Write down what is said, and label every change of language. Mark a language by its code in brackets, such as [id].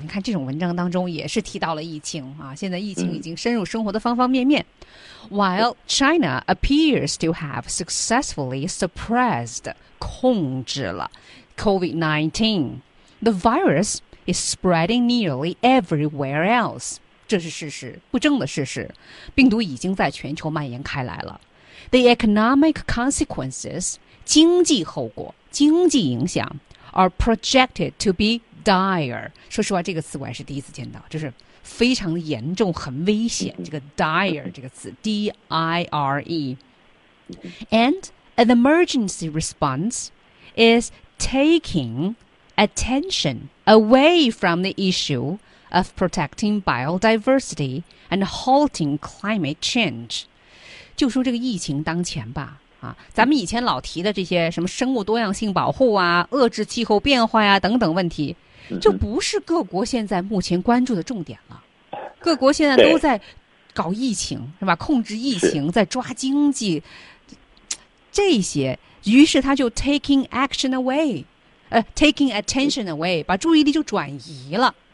[zh] 你看这种文章当中也是提到了疫情啊，现在疫情已经深入生活的方方面面、嗯、 [en] While China appears to have successfully suppressed 控制了 COVID-19,The virus is spreading nearly everywhere else. [zh] 这是事实，不争的事实。病毒已经在全球蔓延开来了。 [en] The economic consequences, [zh] 经济后果，经济影响 [en] are projected to be dire. [zh] 说实话，这个词我还是第一次见到，就是非常严重，很危险。这个 dire 这个词 ，D-I-R-E. [en] And an emergency response is takingattention away from the issue of protecting biodiversity and halting climate change. [zh] 就说这个疫情当前吧、啊、咱们以前老提的这些什么生物多样性保护啊，遏制气候变化啊等等问题，就不是各国现在目前关注的重点了。各国现在都在搞疫情，是吧，控制疫情，在抓经济这些，于是他就 [en] taking action awaytaking attention away， [zh] 把注意力就转移了。